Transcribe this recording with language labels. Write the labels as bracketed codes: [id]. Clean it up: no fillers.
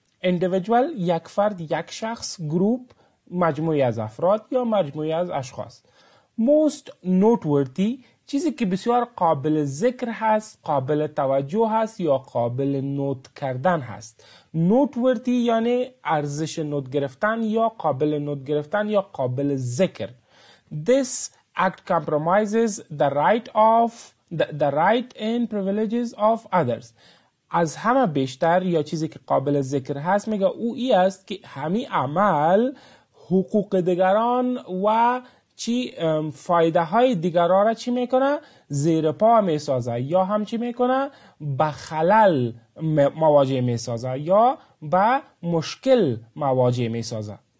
[fa] Individual یک فرد یک شخص گروپ مجموعی از افراد یا مجموعی از اشخاص. Most noteworthy چیزی که بسیار قابل ذکر هست، قابل توجه هست یا قابل نوت کردن هست. Noteworthy یعنی ارزش نوت گرفتن یا قابل نوت گرفتن یا قابل ذکر. [en] This act compromises the right and privileges of others. [fa] از همه بیشتر یا چیزی که قابل ذکر هست میگه او ای است که همی عمل حقوق دیگران و چی فایده های دیگر را چی میکنه؟ زیر پا میسازه یا هم چی میکنه؟ به خلل مواجه میسازه یا به مشکل مواجه میسازه.